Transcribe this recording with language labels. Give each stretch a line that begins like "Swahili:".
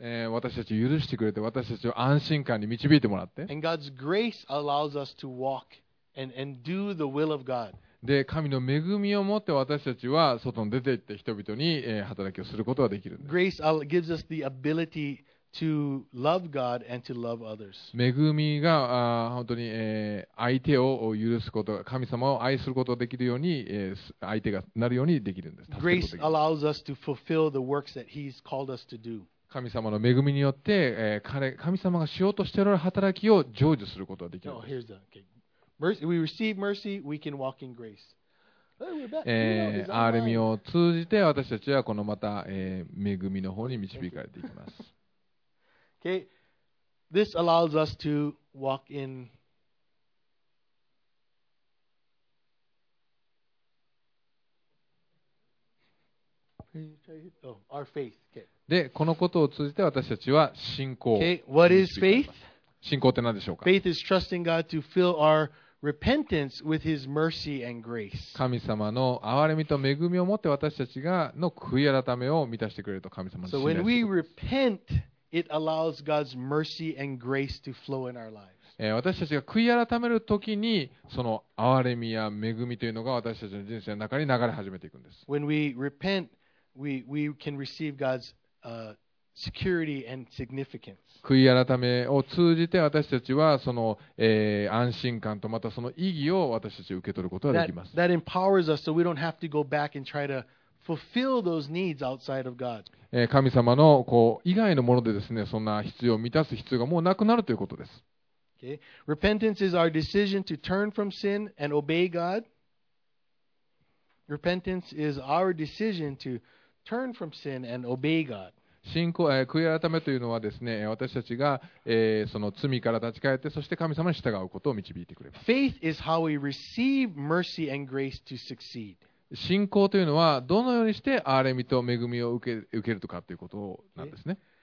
Japanese: 私たちを許してくれて、私たちを安心感に導いてもらって、
English: and God's grace allows us to walk and do the will of God.
Japanese: で神の恵みを持って私たちは外に出て行って人々に働きをすることができるんです。
English: Grace gives us the ability to love God and to love others.
Japanese: 恵みが本当に相手を許すこと、神様を愛することができるように相手がなるようにできるんです。
English: Grace allows us to fulfill the works that He's called us to do.
Japanese: 神様の恵みによって神様がしようとしている働きを成就することができるんです。
English: No, here's the okay. Mercy, we receive mercy, we can walk in grace.
Japanese: RM を通じて私たちはこのまた、恵みの方に導かれていきます。
English: okay, this allows us to walk in our faith. Okay.
Japanese: で、このことを通じて私たちは信仰。
English: Okay, what is faith?
Japanese: 信仰って何でしょうか?
English: Faith is trusting God to fill our Repentance with His mercy and grace.
Japanese: 神様の憐れみと恵みを持って私たちがの悔い改めを満たしてくれると神様に信頼する。
English: So when we repent, it allows God's mercy and grace to flow in our lives.
Japanese: 私たちが悔い改めるときにその憐れみや恵みというのが私たちの人生の中に流れ始めていくんです。
English: When we repent, we can receive God's security and significance.
Japanese: 悔い改めを通じて私たちはその、安心感とまたその意義を私たち受け取ることができます。
English: That empowers us so we don't have to go back and try to fulfill those needs outside of God.
Japanese: 神様のこう以外のものでですね、そんな必要を満たす必要がもうなくなるということです。
English: Okay. Repentance is our decision to turn from sin and obey God. Repentance is our decision to turn from sin and obey God.
Japanese: 信仰、悔い改めというのはですね、私たちが、その罪から立ち返って、そして神様に従うことを導いてくれます。
English: Faith is how we receive mercy and grace to succeed.
Japanese: 信仰というのはどのようにして憐れみと恵みを受けるとかということなんですね。